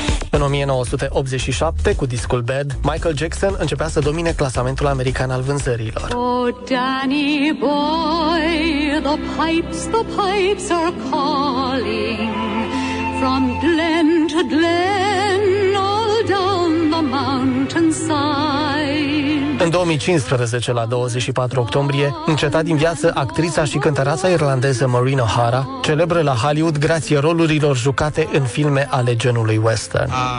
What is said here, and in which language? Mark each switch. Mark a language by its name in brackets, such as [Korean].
[Romanian] În 1987, cu discul Bad, Michael Jackson începea să domine clasamentul american al vânzărilor. [English] Oh, Danny boy, the pipes are calling from glen to glen all down the mountainside. [Romanian] În 2015, la 24 octombrie, înceta din viață actrița și cântăreața irlandeză Maureen O'Hara, celebră la Hollywood grație rolurilor jucate în filme ale genului western.